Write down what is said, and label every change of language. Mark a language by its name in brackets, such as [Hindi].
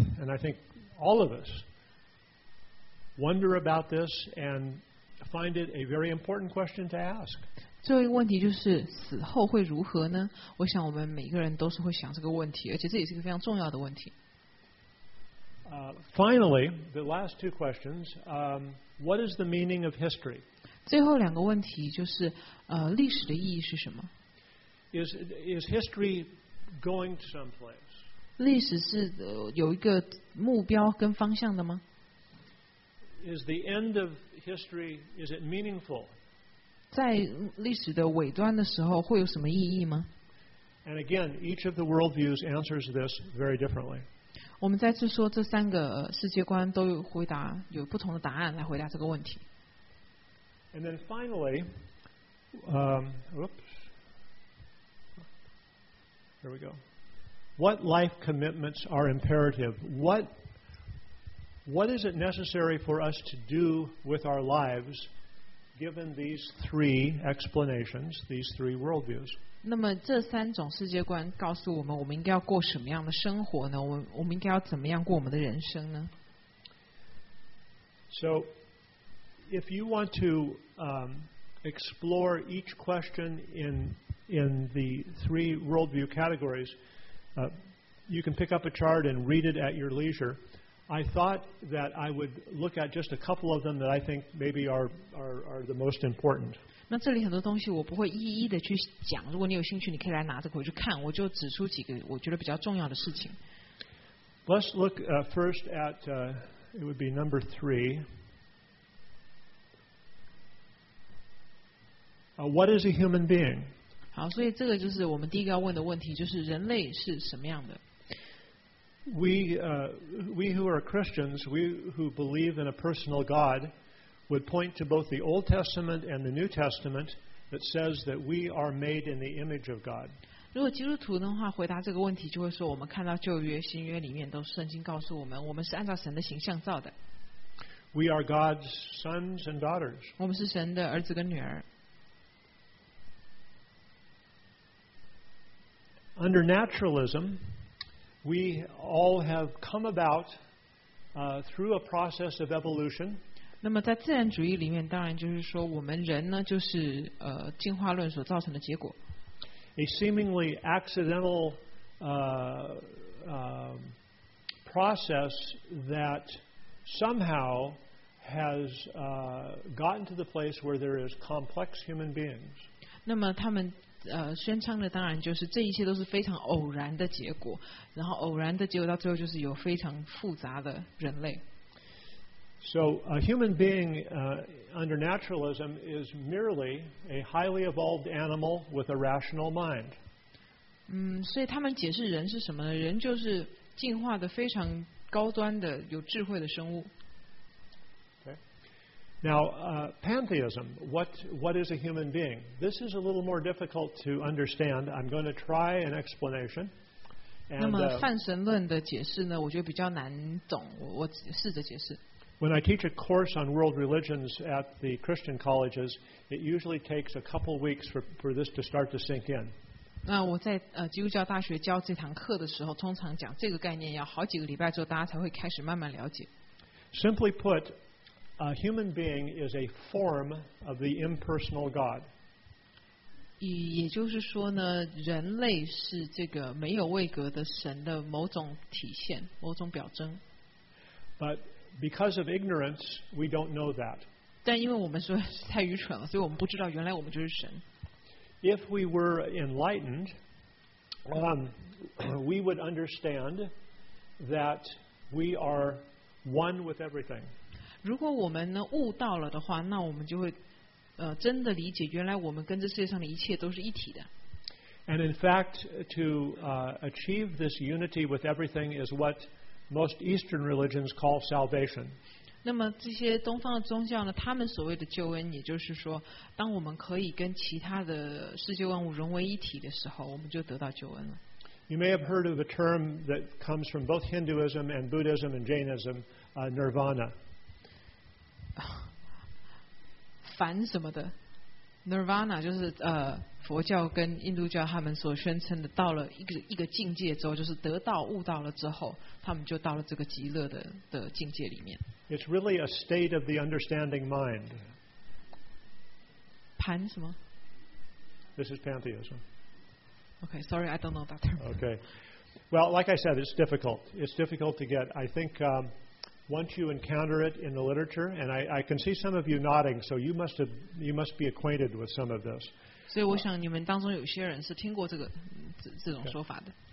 [English] And I think all of us wonder about this and find it a very important question to ask. [Chinese] 最后一个问题就是死后会如何呢？我想我们每个人都是会想这个问题，而且这也是一个非常重要的问题。 [English] Finally, the last two questions, what is the meaning of history? [Chinese] 最后两个问题就是历史的意义是什么？ [English] Is history going to someplace? [Chinese] 历史是有一个目标跟方向的吗？ [English] Is the end of history, is it meaningful? [Chinese] 在历史的尾端的时候会有什么意义吗？ [English] And again, each of the worldviews answers this very differently. [Chinese] 我们再次说这三个世界观都有回答，有不同的答案来回答这个问题。 [English] And then finally, here we go. What life commitments are imperative? What is it necessary for us to do with our lives, given these three explanations, these three worldviews? [Chinese] 那么这三种世界观告诉我们，我们应该要过什么样的生活呢？我们应该要怎么样过我们的人生呢？ [English] So, if you want to explore each question in the three worldview categories, you can pick up a chart and read it at your leisure. I thought that I would look at just a couple of them that I think maybe are the most important. [Chinese] 那这里很多东西我不会一一的去讲，如果你有兴趣你可以来拿这个回去看，我就指出几个我觉得比较重要的事情。 [English] Let's look first at, it would be number three. What is a human being? [Chinese] 好，所以这个就是我们第一个要问的问题，就是人类是什么样的。 [English] We who are Christians, we who believe in a personal God, would point to both the Old Testament and the New Testament that says that we are made in the image of God. [Chinese] 如果基督徒的话，回答这个问题就会说，我们看到旧约、新约里面都圣经告诉我们，我们是按照神的形象造的。 [English] We are God's sons and daughters. [Chinese] 我们是神的儿子跟女儿。 [English] Under naturalism. We all have come about through a process of evolution. [Chinese] 那么在自然主义里面，当然就是说我们人呢，就是进化论所造成的结果。 [English] A seemingly accidental process that somehow has gotten to the place where there is complex human beings. [Chinese] 那么他们。宣称的当然就是这一切都是非常偶然的结果，然后偶然的结果到最后就是有非常复杂的人类。 [English] So a human being under naturalism is merely a highly evolved animal with a rational mind. [Chinese] 所以他们解释人是什么呢？人就是进化的非常高端的有智慧的生物。 [English] Now, pantheism, what is a human being? This is a little more difficult to understand. I'm going to try an explanation. And, [Chinese] 那么泛神论的解释呢，我觉得比较难懂。我试着解释。 [English] When I teach a course on world religions at the Christian colleges, it usually takes a couple weeks for this to start to sink in. [Chinese] 那我在基督教大学教这堂课的时候，通常讲这个概念要好几个礼拜之后，大家才会开始慢慢了解。 [English] Simply put,A human being is a form of the impersonal God. [Chinese] 也就是说呢，人类是这个没有位格的神的某种体现，某种表征。 [English] But because of ignorance, we don't know that. [Chinese] 但因为我们说太愚蠢了，所以我们不知道原来我们就是神。 [English] If we were enlightened, we would understand that we are one with everything. [Chinese] 如果我们呢悟到了的话，那我们就会真的理解，原来我们跟这世界上的一切都是一体的。 [English] And in fact, to achieve this unity with everything is what most Eastern religions call salvation. [Chinese] 那么这些东方的宗教呢，他们所谓的救恩，也就是说，当我们可以跟其他的世界万物融为一体的时候，我们就得到救恩了。 [English] You may have heard of a term that comes from both Hinduism and Buddhism and Jainism, Nirvana. [Chinese] 凡什么的 ，Nirvana 就是佛教跟印度教他们所宣称的，到了一个境界之后，就是得到悟到了之后，他们就到了这个极乐的境界里面。 [English] It's really a state of the understanding mind. [Chinese] 盘什么 [English] ？This is pantheism. Okay, sorry, I don't know that term. Okay, well, like I said, it's difficult. It's difficult to get. I think. Once you encounter it in the literature, and I can see some of you nodding, so you must be acquainted with some of this. [Chinese] 所以我想你们当中有些人是听过这种说法的。